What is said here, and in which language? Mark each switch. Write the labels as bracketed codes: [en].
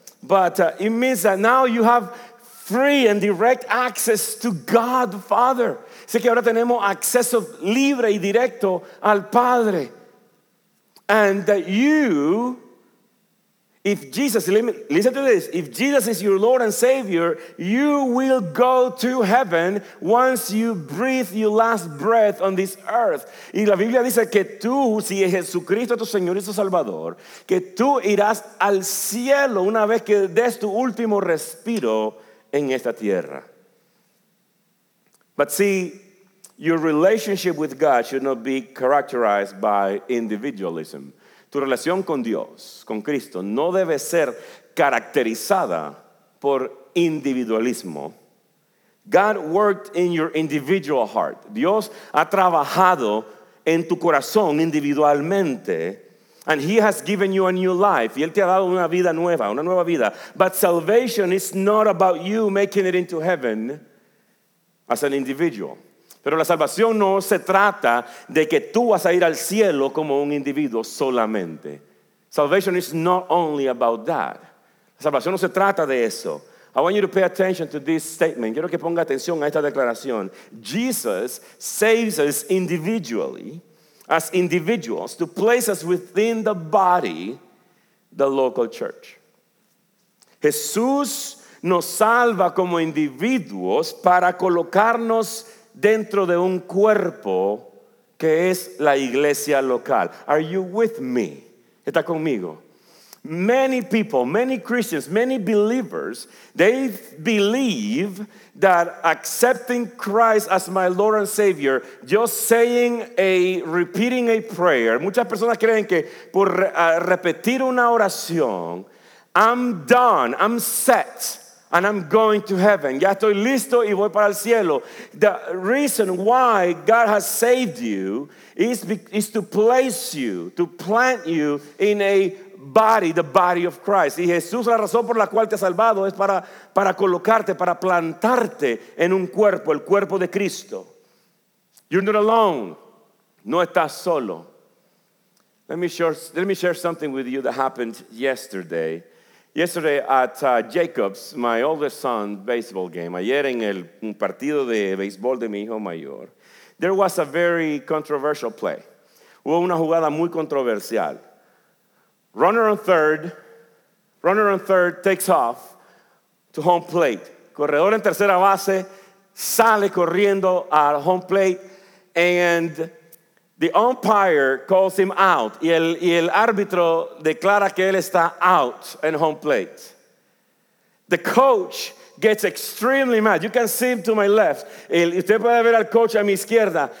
[en] But it means that now you have free and direct access to God the Father. [es] Sé que ahora tenemos acceso libre y directo al Padre. [en] And that you, if Jesus, listen to this, if Jesus is your Lord and Savior, you will go to heaven once you breathe your last breath on this earth. [es] Y la Biblia dice que tú, si es Jesucristo tu Señor y tu Salvador, que tú irás al cielo una vez que des tu último respiro en esta tierra. [en] But see, your relationship with God should not be characterized by individualism. [es] Tu relación con Dios, con Cristo, no debe ser caracterizada por individualismo. [en] God worked in your individual heart. [es] Dios ha trabajado en tu corazón individualmente. [en] And he has given you a new life. [es] Y él te ha dado una nueva vida. [en] But salvation is not about you making it into heaven as an individual. [es] Pero la salvación no se trata de que tú vas a ir al cielo como un individuo solamente. [en] Salvation is not only about that. [es] La salvación no se trata de eso. [en] I want you to pay attention to this statement. [es] Quiero que ponga atención a esta declaración. [en] Jesus saves us individually, as individuals, to place us within the body, the local church. [es] Jesús nos salva como individuos para colocarnos dentro de un cuerpo que es la iglesia local. [en] Are you with me? [es] ¿Está conmigo? [en] Many people, many Christians, many believers, they believe that accepting Christ as my Lord and Savior, just saying repeating a prayer, [es] muchas personas creen que por repetir una oración, [en] I'm done, I'm set. And I'm going to heaven. [es] Ya estoy listo y voy para el cielo. [en] The reason why God has saved you is to place you, to plant you in a body, the body of Christ. [es] Y Jesús, la razón por la cual te ha salvado es para colocarte, para plantarte en un cuerpo, el cuerpo de Cristo. [en] You're not alone. [es] No estás solo. [en] Let me share something with you that happened yesterday. Yesterday at Jacob's, my oldest son's baseball game, [es] ayer en el partido de béisbol de mi hijo mayor, [en] there was a very controversial play. [es] Hubo una jugada muy controversial. [en] Runner on third takes off to home plate. [es] Corredor en tercera base sale corriendo al home plate [en] and the umpire calls him out. [es] Y el árbitro declara que él está out in home plate. [en] The coach gets extremely mad. You can see him to my left. [es] Usted puede ver al coach a mi izquierda.